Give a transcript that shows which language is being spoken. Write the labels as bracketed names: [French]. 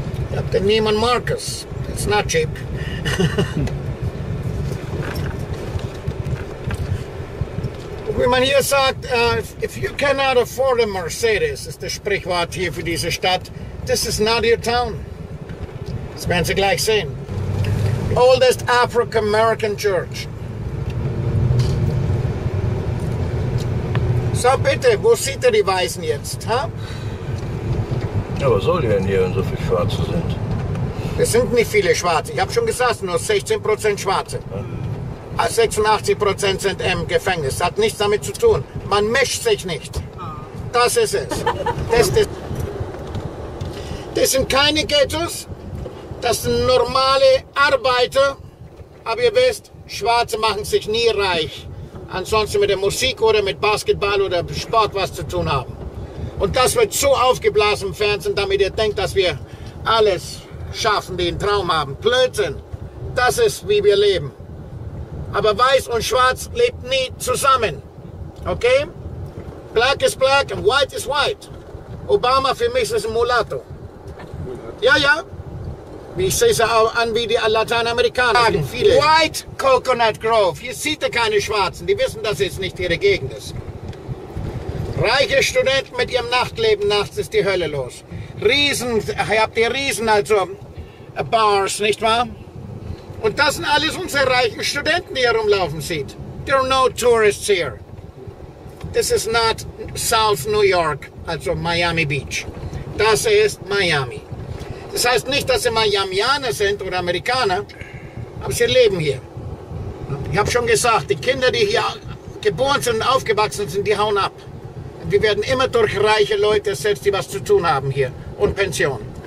[German] Ihr habt den Neiman Marcus. [English] It's not cheap. [German] Wie man hier sagt, [English] if you cannot afford a Mercedes, [German] ist das Sprichwort hier für diese Stadt, [English] this is not your town. [German] Das werden Sie gleich sehen. [English] Oldest African-American church. [German] So bitte, wo sieht ihr die Weißen jetzt? Ha? Ja, was soll denn hier, wenn so viele Schwarze sind? Es sind nicht viele Schwarze. Ich habe schon gesagt, nur 16% Schwarze. Ja. 86% sind im Gefängnis. Hat nichts damit zu tun. Man mischt sich nicht. Das ist es. Das sind keine Ghettos. Das sind normale Arbeiter. Aber ihr wisst, Schwarze machen sich nie reich. Ansonsten mit der Musik oder mit Basketball oder Sport was zu tun haben. Und das wird so aufgeblasen im Fernsehen, damit ihr denkt, dass wir alles schaffen, den Traum haben. Blödsinn. Das ist, wie wir leben. Aber Weiß und Schwarz lebt nie zusammen. Okay? [English] Black is black and white is white. [German] Obama für mich ist ein Mulatto. Ja, ja. Ich sehe sie auch an wie die Lateinamerikaner. White Coconut Grove. Hier sieht ihr keine Schwarzen. Die wissen, dass es nicht ihre Gegend ist. Reiche Studenten mit ihrem Nachtleben. Nachts ist die Hölle los. Riesen, habt ihr Riesen, also Bars, nicht wahr? Und das sind alles unsere reichen Studenten, die herumlaufen sieht. [English] There are no tourists here. This is not South New York, also Miami Beach. [German] Das ist Miami. Das heißt nicht, dass sie Miamianer sind oder Amerikaner, aber sie leben hier. Ich habe schon gesagt, die Kinder, die hier geboren sind und aufgewachsen sind, die hauen ab. Wir werden immer durch reiche Leute ersetzt, die was zu tun haben hier. Und Pension.